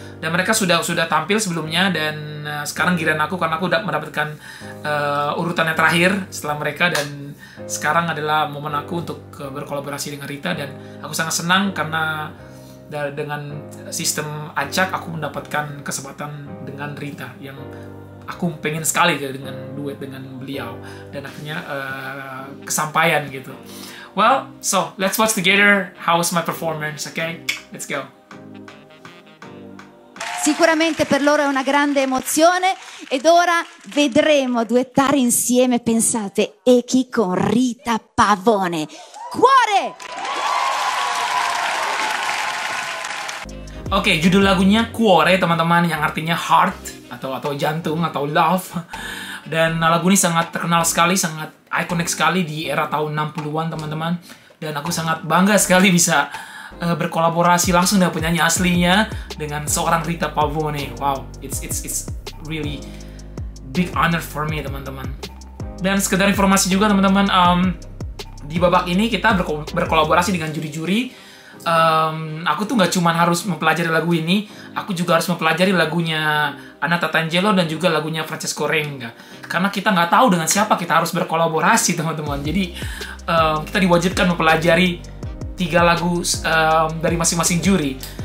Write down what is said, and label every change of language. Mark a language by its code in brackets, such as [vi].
[id] Dan mereka sudah tampil sebelumnya dan sekarang giliran aku karena aku mendapatkan urutannya terakhir setelah mereka dan sekarang adalah momen aku untuk berkolaborasi dengan Rita dan aku sangat senang karena dengan sistem acak aku mendapatkan kesempatan dengan Rita yang aku pengen sekali dengan duet dengan beliau dan akhirnya kesampaian gitu. [en] Well, so let's watch together how was my performance, okay? Let's go. [it] Sicuramente per loro è una grande emozione ed ora vedremo duettare insieme, pensate, Echi con Rita Pavone. Cuore! [id] Oke, okay, judul lagunya Cuore, teman-teman, yang artinya heart atau jantung atau love. Dan lagu ini sangat terkenal sekali, sangat ikonik sekali di era tahun 60-an, teman-teman. Dan aku sangat bangga sekali bisa berkolaborasi langsung dengan penyanyi aslinya dengan seorang Rita Pavone. [en] Wow, it's really big honor for me, teman-teman. [id] Dan sekedar informasi juga, teman-teman, di babak ini kita berkolaborasi dengan juri-juri. Aku tuh nggak cuma harus mempelajari lagu ini, aku juga harus mempelajari lagunya Anata Tangelo dan juga lagunya Francesco Renga. Karena kita nggak tahu dengan siapa kita harus berkolaborasi, teman-teman. Jadi kita diwajibkan mempelajari 3 lagu dari masing-masing juri.